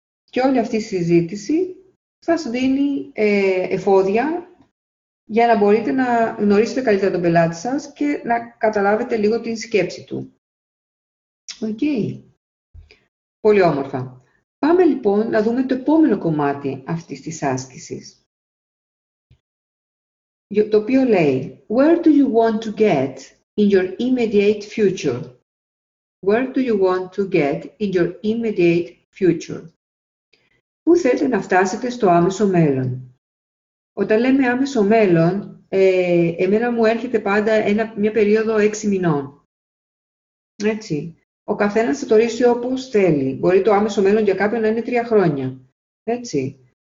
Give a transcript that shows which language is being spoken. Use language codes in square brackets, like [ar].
[el] Και όλη αυτή η συζήτηση σας δίνει εφόδια για να μπορείτε να γνωρίσετε καλύτερα τον πελάτη σας και να καταλάβετε λίγο την σκέψη του. Οκ. Okay. Πολύ όμορφα. Πάμε λοιπόν να δούμε το επόμενο κομμάτι αυτής της άσκησης. Το οποίο λέει, [en] where do you want to get in your immediate future? Where do you want to get in your immediate future? [el] Πού θέλετε να φτάσετε στο άμεσο μέλλον? Όταν λέμε άμεσο μέλλον, εμένα μου έρχεται πάντα μια περίοδο 6 μηνών. Έτσι. Ο καθένας θα το ρίξει όπως θέλει. Μπορεί το άμεσο μέλλον για κάποιον να είναι 3 χρόνια. Έτσι.